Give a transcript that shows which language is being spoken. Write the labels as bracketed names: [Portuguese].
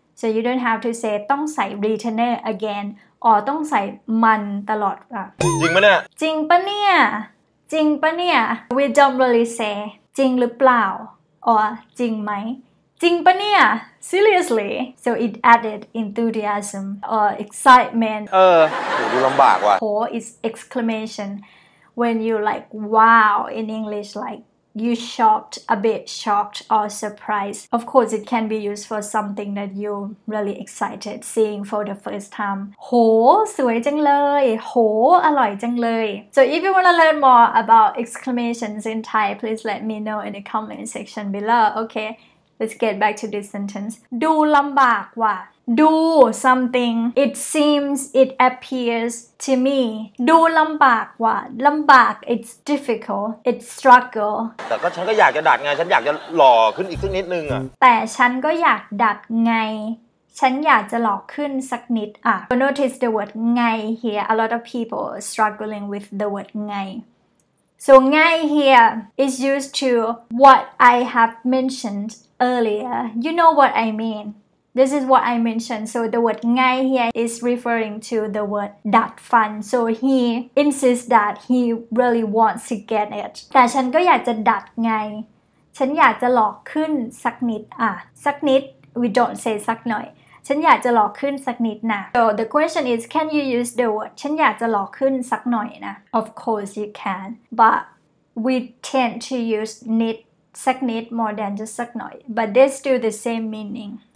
[English] so you don't have to say [Thai] ต้องใส่ [English] retainer again or [Thai] ต้องใส่มันตลอดอ่ะ จริงปะเนี่ย จริงปะเนี่ยจริงปะเนี่ย [English] we don't really say [Thai] จริงหรือเปล่า [English] or [Thai] จริงไหมจริงปะเนี่ย [English] seriously so it added enthusiasm or excitement [Thai] เออ ดูลำบากว่ะ [English] or is exclamation when you like wow in English likeYou shocked, a bit shocked or surprised. Of course, it can be used for something that you're really excited seeing for the first time. Ho, [Thai] สวยจังเลย [English] Ho, [Thai] อร่อยจังเลย [English] So if you want to learn more about exclamations in Thai, please let me know in the comment section below. Okay, let's get back to this sentence. [Thai] ดูลำบากว่ะ [English] Do something. It seems, it appears to me. [Thai] ดูลำบากว่ะ ลำบาก [English] it's difficult, it's struggle. [Thai] แต่ก็ฉันก็อยากจะดัดไงฉันอยากจะหล่อขึ้นอีกสักนิดนึงอ่ ะ แต่ฉันก็อยากดัดไงฉันอยากจะหล่อขึ้นสักนิดอ่ะ [English] You notice the word ไง here. A lot of people struggling with the word ไง So ไง here is used to what I have mentioned earlier. You know what I mean. This is what I mentioned. So the word ngai here is referring to the word dat fan. So he insists that he really wants to get it. [Thai] แต่ฉันก็อยากจะดัดไงฉันอยากจะหลอกขึ้นสักนิดอ่ะสักนิด [English] we don't say [Thai] สักหน่อยฉันอยากจะหลอกขึ้นสักนิดนะ [English] So the question is can you use the word [Thai] ฉันอยากจะหลอกขึ้นสักหน่อยนะ [English] Of course you can. But we tend to use nit สักนิด more than just สักหน่อย But they still the same meaning.